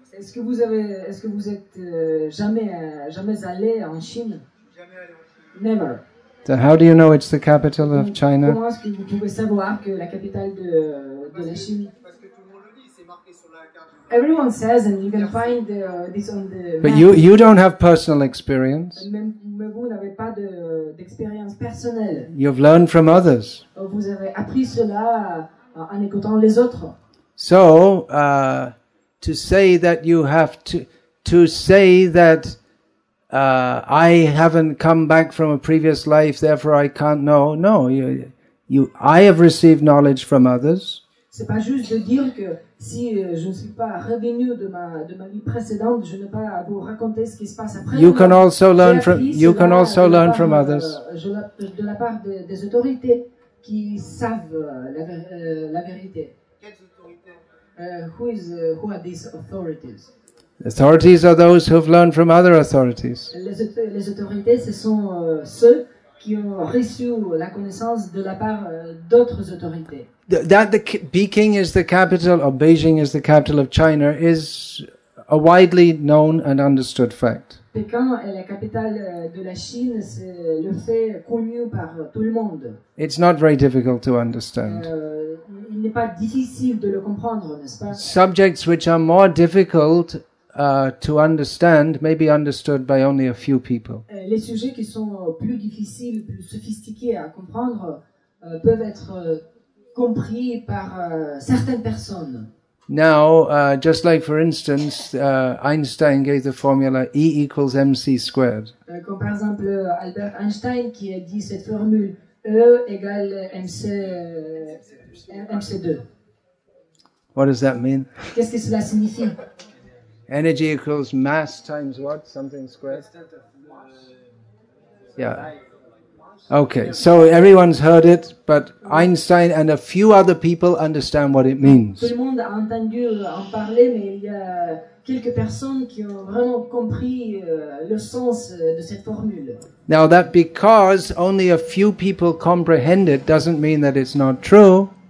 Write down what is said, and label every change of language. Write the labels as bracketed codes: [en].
[fr] Est-ce que vous êtes jamais allé en Chine? [en] Never. So how do you know it's the capital of China? [fr] Comment est-ce que vous pouvez savoir que la capitale de la Chine? Parce que tout le monde le dit, c'est marqué sur la carte. [en] Everyone says, and you can find this on the. But you don't have personal experience. [fr] Mais vous n'avez pas d'expérience personnelle. [en] You've learned from others. [fr] Vous avez appris cela en écoutant les autres. [en] So, to say that you have to say that I haven't come back from a previous life, therefore I can't know. No, I have received knowledge from others. [fr] C'est pas juste de dire que si je ne suis pas revenu de ma vie précédente, je n'ai pas à vous raconter ce qui se passe après. [en] You can also learn from others. [fr] De la part des autorités qui savent la vérité. Quelles autorités? [en] Who are these authorities? Authorities are those who've learned from other authorities. [fr] Les autorités, ce sont ceux qui ont reçu la connaissance de la part d'autres autorités. [en] Beijing is the capital of China is a widely known and understood fact. [fr] Pékin est la capitale de la Chine, c'est le fait connu par tout le monde. [en] It's not very difficult to understand. [fr] Il n'est pas difficile de le comprendre, n'est-ce pas? [en] Subjects which are more difficult to understand may be understood by only a few people. [fr] Les sujets qui sont plus difficiles, plus sophistiqués à comprendre peuvent être compris par certaines personnes. [en] Now, just like for instance, Einstein gave the formula E equals mc squared. [fr] Comme par exemple Albert Einstein qui a dit cette formule E égale mc2. [en] What does that mean? [fr] Qu'est-ce que cela signifie? [en] Energy equals mass times what? Something squared? Yeah. Okay, so everyone's heard it, but Einstein and a few other people understand what it means. [fr] Tout le monde a entendu en parler, mais il y a quelques personnes qui ont vraiment compris le sens de cette formule. [en] Now that because only a few people comprehend it doesn't mean that it's not true.